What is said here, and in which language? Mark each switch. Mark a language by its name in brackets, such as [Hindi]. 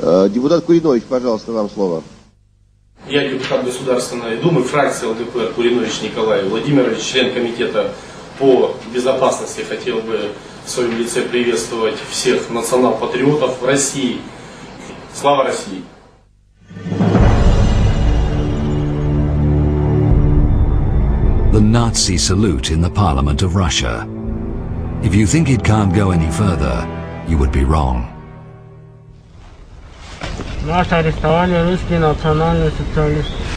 [Russian] Депутат Куринович, пожалуйста, вам слово. Я депутат Государственной Думы, фракция ЛДПР Куринович Николай Владимирович, член комитета по безопасности, хотел бы в своем лице приветствовать всех национал-патриотов России. Слава России! [English] The Nazi salute in the Parliament of Russia. If you think it can't go any further, you would be wrong. [Russian] Нас арестовали русские национальные социалисты.